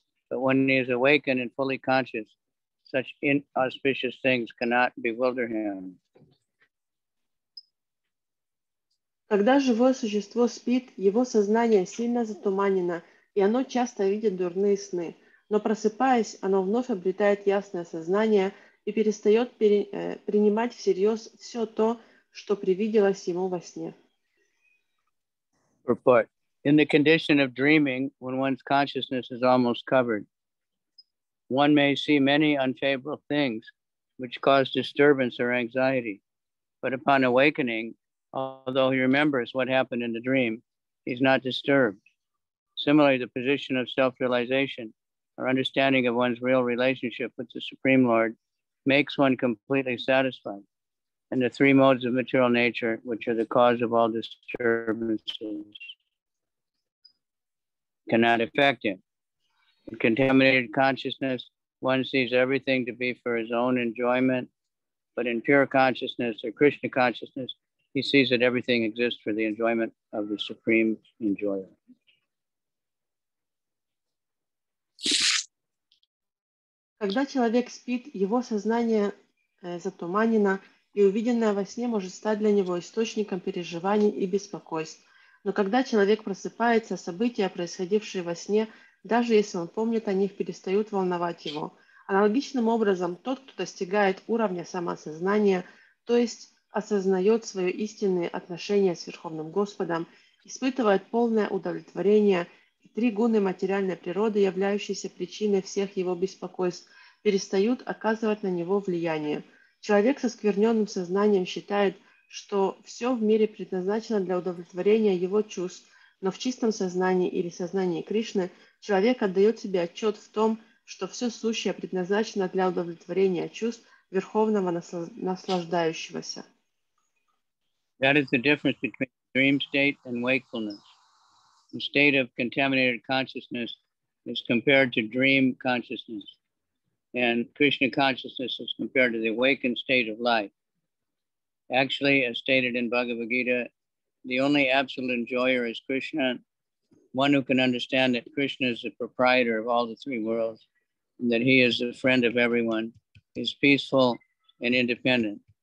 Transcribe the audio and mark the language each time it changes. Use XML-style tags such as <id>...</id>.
<en>But when he is awakened and fully conscious, such inauspicious things cannot bewilder him.</en> <ru>Когда живое существо спит, его сознание сильно затуманено, и оно часто видит дурные сны. Но просыпаясь, оно вновь обретает ясное сознание и перестает принимать всерьез все то, что привиделось ему во сне.</ru> <en>Report. In the condition of dreaming, when one's consciousness is almost covered, one may see many unfavorable things, which cause disturbance or anxiety. But upon awakening, although he remembers what happened in the dream, he's not disturbed. Similarly, the position of self-realization, or understanding of one's real relationship with the Supreme Lord, makes one completely satisfied. And the three modes of material nature, which are the cause of all disturbances, cannot affect him. In contaminated consciousness, one sees everything to be for his own enjoyment, but in pure consciousness or Krishna consciousness, he sees that everything exists for the enjoyment of the Supreme Enjoyer.</en> <ru>Когда человек спит, его сознание затуманено, и увиденное во сне может стать для него источником переживаний и беспокойств. Но когда человек просыпается, события, происходившие во сне, даже если он помнит о них, перестают волновать его. Аналогичным образом, тот, кто достигает уровня самосознания, то есть осознает свои истинные отношения с Верховным Господом, испытывает полное удовлетворение, и три гуны материальной природы, являющиеся причиной всех его беспокойств, перестают оказывать на него влияние. Человек со скверненным сознанием считает, что все в мире предназначено для удовлетворения его чувств, но в чистом сознании или сознании Кришны человек отдает себе отчет в том, что все сущее предназначено для удовлетворения чувств Верховного Наслаждающегося.</ru> <en>That is the difference between dream state and wakefulness. The state of contaminated consciousness is compared to dream consciousness, and Krishna consciousness is compared to the awakened state of life. Actually, as stated in Bhagavad Gita, the only absolute enjoyer is Krishna, one who can understand that Krishna is the proprietor of all the three worlds, and that he is the friend of everyone, is peaceful and independent.</en>